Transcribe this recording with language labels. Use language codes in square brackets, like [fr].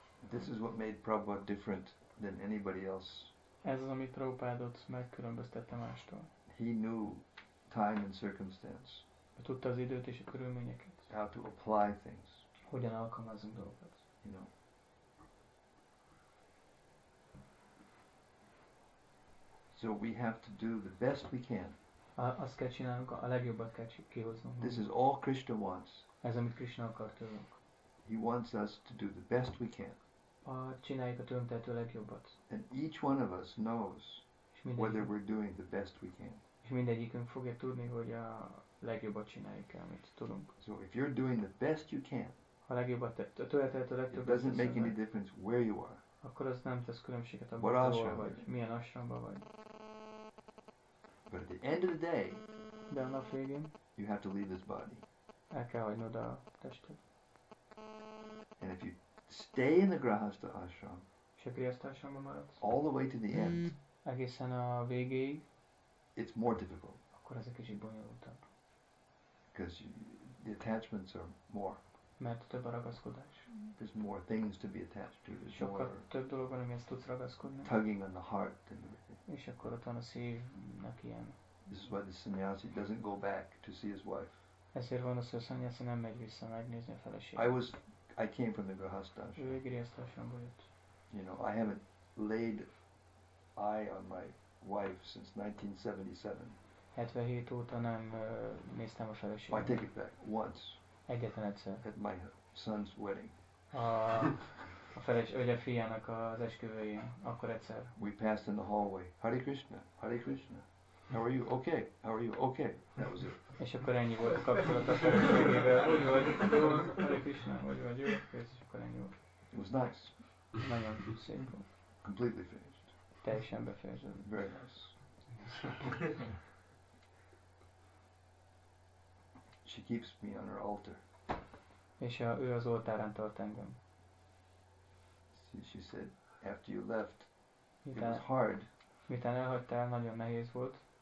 [en] This is what made Prabhupada different than anybody else. [hu] Ez az, ami Prabhupádot megkülönböztette mástól. [en] He knew time and circumstance. [hu] Tudta az időt és a körülményeket. [en] How to apply things. [hu] Hogyan alkalmazunk dolgokat. [en] You know. So we have to do the best we can. [hu] Azt kell csinálnunk, a legjobbat kell kihoznunk. [en] This is all Krishna wants. [hu] Ez, amit Krishna akar tőlünk. [en] He wants us to do the best we can. [hu] Csináljuk a tőlünk tehető legjobbat. [en] And each one of us knows whether we're doing the best we can. [hu] És mindegyikünk fogja tudni, hogy a legjobbat csináljuk el, amit tudunk. [en] So if you're doing the best you can, [hu] ha legjobbat tőletelhető legtöbbet, [en] it doesn't make any difference where you are. [hu] Akkor az nem tesz különbséget abban, hol vagy, milyen ashramban vagy. [en] But at the end of the day, [hu] de a nap végén, [en] you have to leave this body. [hu] El kell hagynod a testet. [en] And if you stay in the grihastha ashram, [hu] és a grihastha ashramban maradsz, [en] all the way to the end, [hu] egészen a végéig, [en] it's more difficult. [hu] Akkor ez egy kicsit bonyolultabb. [en] Because the attachments are more. [hu] Mert több a ragaszkodás. [en] There's more things to be attached to. There's [hu] sokkal [en] more [hu] több dolog van, amihez tudsz ragaszkodni. [en] Tugging on the heart and everything. [hu] És akkor ott van a szívnek ilyen. [en] This is why the sannyasi doesn't go back to see his wife. [hu] Ezért van az, hogy a sannyasi nem megy vissza megnézni a feleségét. [en] I came from the grihastha ashram. [hu] Ő grihastha ashramból jött. [en] You know, I haven't laid eye on my wife since 1977. [hu] 77 óta nem néztem a feleségét. [en] I take it back. Once. [hu] Egyetlen egyszer. [en] At my son's wedding. [hu] A feleség, a fiának az esküvőjén. Akkor egyszer. [en] We passed in the hallway. Hare Krishna. Hare Krishna. How are you? Okay. How are you? Okay. That was it. [hu] És akkor ennyi volt a kapcsolat a feleségével. Úgy vagy. Hare Krishna. Úgy vagy. Jó. És akkor ennyi volt. [en] It was nice. [hu] Nagyon szép volt. [en] Completely finished. [hu] Teljesen befejeződött. [en] Very nice. She keeps me on her altar. [hu] És ő az oltárán tart engem. [en] She said, after you left, it was hard. [hu] Miután elhagytál, nagyon nehéz volt.